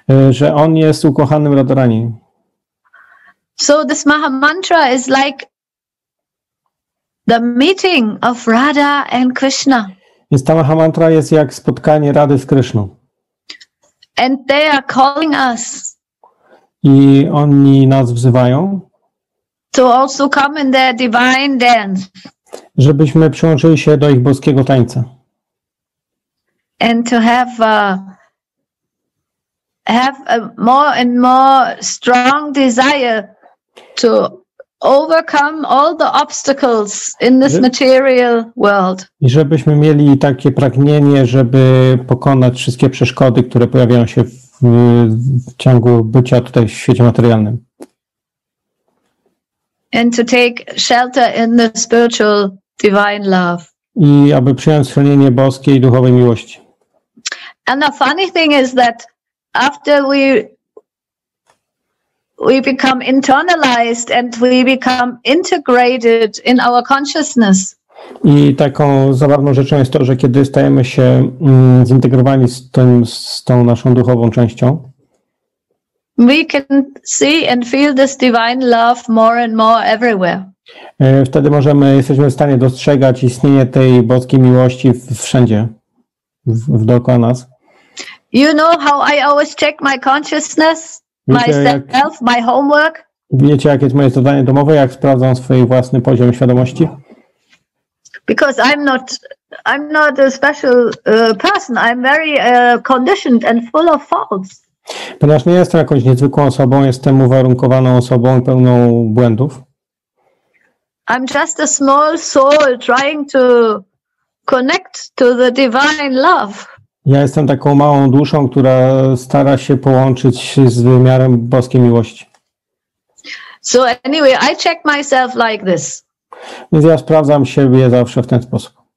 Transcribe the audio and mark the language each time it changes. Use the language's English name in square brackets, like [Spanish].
[Polish] Że on jest ukochanym Radharani. [English] So this Maha Mantra is like the meeting of Radha and Krishna. [Polish] Więc ta Maha Mantra jest jak spotkanie Rady z Kryszną. [English] And they are calling us. [Polish] I oni nas wzywają. [English] To also come in their divine dance. [Polish] Żebyśmy przyłączyli się do ich boskiego tańca. [English] And to have a more and more strong desire to overcome all the obstacles in this material world. [Polish] I żebyśmy mieli takie pragnienie, żeby pokonać wszystkie przeszkody, które pojawiają się w ciągu bycia tutaj w świecie materialnym. [English] And to take shelter in the spiritual divine love. [Polish] I aby przyjąć schronienie boskie i duchowej miłości. [English] And the funny thing is that after we become internalized and we become integrated in our consciousness. [Polish] I taką zabawną rzeczą jest to, że kiedy stajemy się zintegrowani z tą naszą duchową częścią, [English] we can see and feel this divine love more and more everywhere. [Polish] Wtedy jesteśmy w stanie dostrzegać istnienie tej boskiej miłości wszędzie, dookoła nas. [English] You know how I always check my consciousness, myself, my homework? [Polish] Wiecie, jakie jest moje zadanie domowe, jak sprawdzam swój własny poziom świadomości? [English] Because I'm not a special person, I'm very conditioned and full of faults. [Polish] Ponieważ nie jestem jakąś niezwykłą osobą, jestem uwarunkowaną osobą pełną błędów. [English] I'm just a small soul trying to connect to the divine love. [Polish] Ja jestem taką małą duszą, która stara się połączyć z wymiarem boskiej miłości. [English] So anyway, I check myself like this. [Polish] Więc ja sprawdzam siebie zawsze w ten sposób.